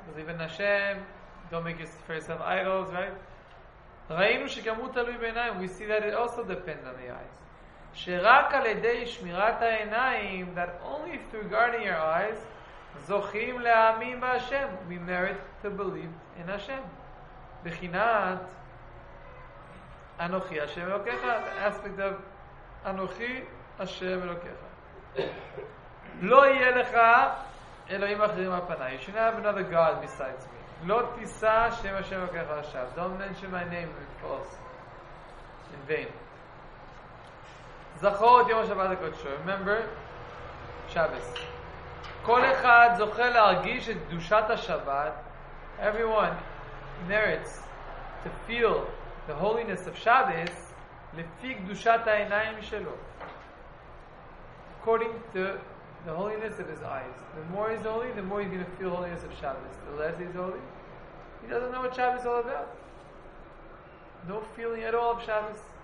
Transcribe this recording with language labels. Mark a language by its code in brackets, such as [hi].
[en] Believe in Hashem, don't make yourself idols, right? [he] ראינו שגם הוא תלוי בעיניים, [en] we see that it also depends on the eyes. [he] שרק על ידי שמירת העיניים, [en] that only through guarding your eyes, [he] זוכים להאמין בהשם, [en] we merit to believe in Hashem. [he] בחינת, אנוכי השם אלוקיך, [en] aspect of [he] אנוכי השם אלוקיך. לא יהיה לך אלוהים אחרים מהפניי. [en] You should have another God besides me. [he] לא תישא שם השם הכך עכשיו. [en] Don't mention my name in false. In vain. [he] זכור את יום השבת הקודשו. [en] Remember? Shabbos. [he] כל אחד זוכה להרגיש את קדושת השבת. [en] Everyone merits to feel the holiness of Shabbos [he] לפי קדושת העיניים שלו. [en] According to the holiness of his eyes. The more he's holy, the more he's going to feel holiness of Shabbos. The less he's holy, he doesn't know what Shabbos is all about. No feeling at all of Shabbos.